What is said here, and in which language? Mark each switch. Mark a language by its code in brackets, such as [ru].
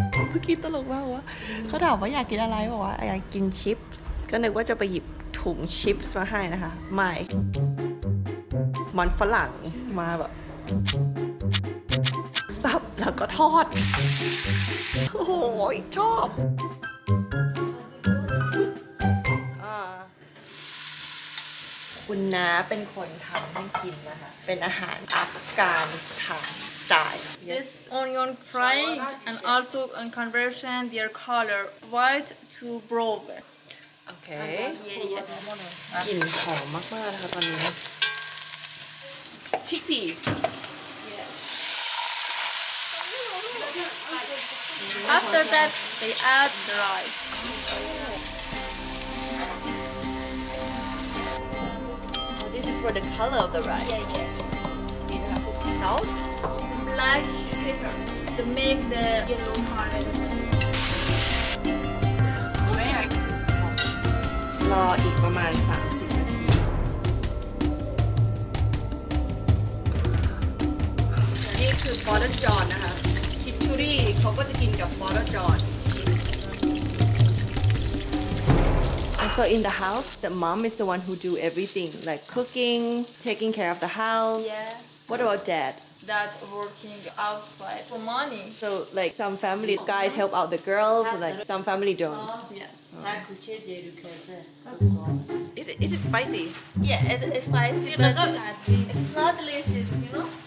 [th] เมื่อกี้ตลกมากว่าเขาถามว่าอยากกินอะไรบอกว่าอยากกินชิปส์ก็นึกว่าจะไปหยิบถุงชิปส์มาให้นะคะไม่มันฝรั่งมาแบบซับแล้วก็ทอดโอ้ยชอบคุณน้าเป็นคนทำให้กินนะคะเป็นอาหารอัฟกานิสถานสไตล์ [en] This onion fry and also in conversion their color white to brown [th] โอเคกลิ่นหอมมากๆนะคะตอนนี้ [en] Chickpeas After that, they add the rice. Oh, this is for the color of the rice. Yeah, yeah. You don't have to put salt? The black pepper to make the yellow color. Wait a minute. Wait a minute. [th] ฟอร์ดจอนนะคะคิดชูรี่เขาก็จะกินกับฟอร์ดจอน [en] So in the house, the mom is the one who do everything, like cooking, taking care of the house. Yeah. What about dad? Dad working outside for money. So like some family guys help out the girls, like some family don't. Yeah. Is it spicy? Yeah, it's spicy, but it's not delicious, you know.